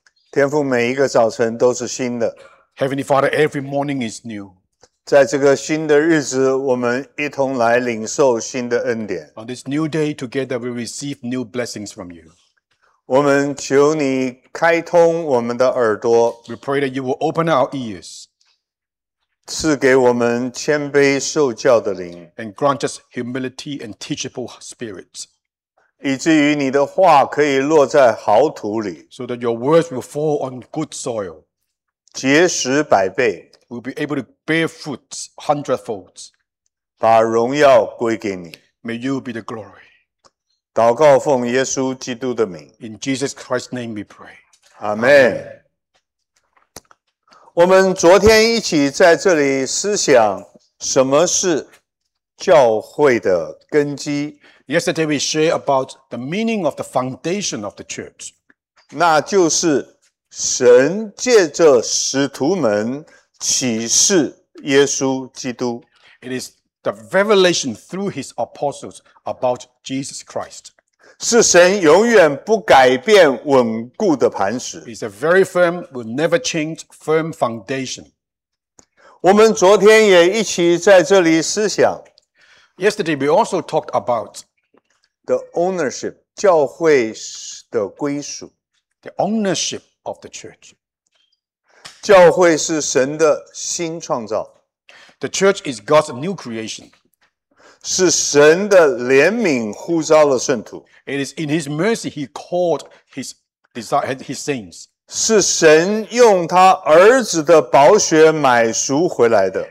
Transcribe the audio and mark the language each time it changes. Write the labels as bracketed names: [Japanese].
[Chinese] 天父，每一个早晨都是新的。 [English] Heavenly Father, every morning is new. [Chinese] 在这个新的日子，我们一同来领受新的恩典。 [English] On this new day, together we receive new blessings from you. [Chinese] 我们求你开通我们的耳朵。 [English] We pray that you will open our ears. [Chinese] 赐给我们谦卑受教的灵。 [English] And grant us humility and teachable spirits. [Chinese] 以至于你的话可以落在好土里 [English] ，so that your words will fall on good soil， [Chinese] 结实百倍 [English] ，will be able to bear fruit hundredfold， [Chinese] 把荣耀归给你 [English] ，may you be the glory。 [Chinese] 祷告奉耶稣基督的名 [English] ，in Jesus Christ's name we pray， [Chinese] 阿门。我们昨天一起在这里思想什么是教会的根基。 [English] Yesterday we shared about the meaning of the foundation of the church. [Chinese] 那就是神借着使徒们启示耶稣基督。 [English] It is the revelation through his apostles about Jesus Christ. [Chinese] 是神永远不改变稳固的磐石。 [English] It's a very firm, will never change, firm foundation. [Chinese] 我们昨天也一起在这里思想。 [English] Yesterday we also talked about The ownership, [Chinese] 教会的归属。 [English] The ownership of the church. [Chinese] 教会是神的新创造。 [English] The church is God's new creation. [Chinese] 是神的怜悯呼召了圣徒。 [English] It is in His mercy He called His saints. [Chinese] 是神用他儿子的宝血买赎回来的。